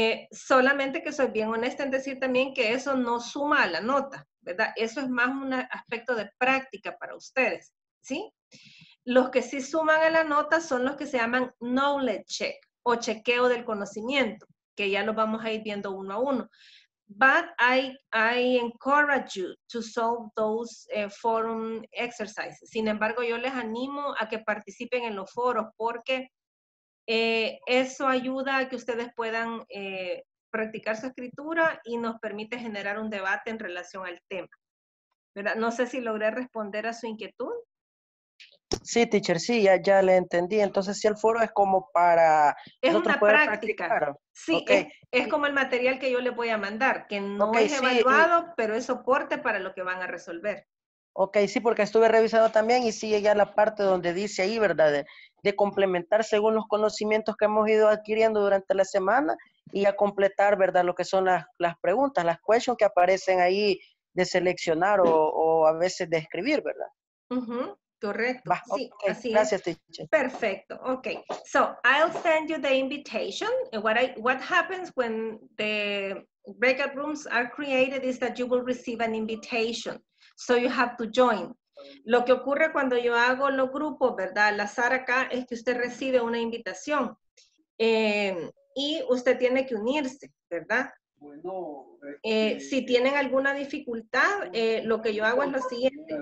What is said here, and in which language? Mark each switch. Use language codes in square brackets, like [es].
[es] Solamente que soy bien honesta en decir también que eso no suma a la nota, ¿verdad? Eso es más un aspecto de práctica para ustedes, ¿sí? Los que sí suman a la nota son los que se llaman knowledge check o chequeo del conocimiento, que ya lo vamos a ir viendo uno a uno. [en] But I encourage you to solve those forum exercises. [es] Sin embargo, yo les animo a que participen en los foros porque eso ayuda a que ustedes puedan practicar su escritura y nos permite generar un debate en relación al tema. ¿Verdad? No sé si logré responder a su inquietud. Sí, teacher, sí, ya le entendí. Entonces, sí, el foro es como para... Es una práctica. Sí, okay. Es como el material que yo le voy a mandar, que no es evaluado, sí, pero es soporte para lo que van a resolver. Ok, sí, porque estuve revisando también y sigue ya la parte donde dice ahí, ¿verdad? De complementar según los conocimientos que hemos ido adquiriendo durante la semana y a completar, ¿verdad? Lo que son las preguntas, las questions que aparecen ahí de seleccionar o a veces de escribir, ¿verdad? Correcto. Bah, okay. Sí, así gracias, es. Teacher. [en] Perfecto. Okay. So I'll send you the invitation. What happens when the breakout rooms are created is that you will receive an invitation. So you have to join. [es] Lo que ocurre cuando yo hago los grupos, ¿verdad? Al azar acá es que usted recibe una invitación y usted tiene que unirse, ¿verdad? Bueno. Si tienen alguna dificultad, lo que yo hago es lo siguiente.